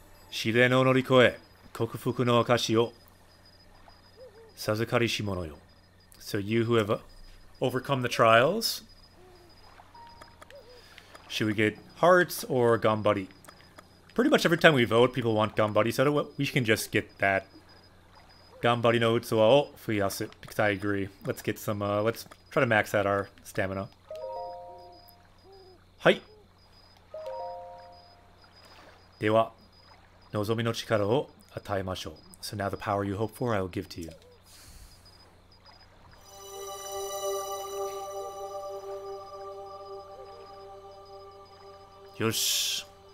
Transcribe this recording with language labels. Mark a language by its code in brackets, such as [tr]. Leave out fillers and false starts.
[ja] 試練を乗り越え、克服の証を授かりし者よ。 [en] So you who have overcome the trials, should we get hearts or ganbari? Pretty much every time we vote, people want ganbari, so we can just get that. [ja] Ganbari no utsuwa o fuyasu, [en] because I agree. Let's get some, let's try to max out our stamina. [ja] はい。では。望みの力を与えましょう。 [en] So now the power you hope for, I will give to you. [ja] よし。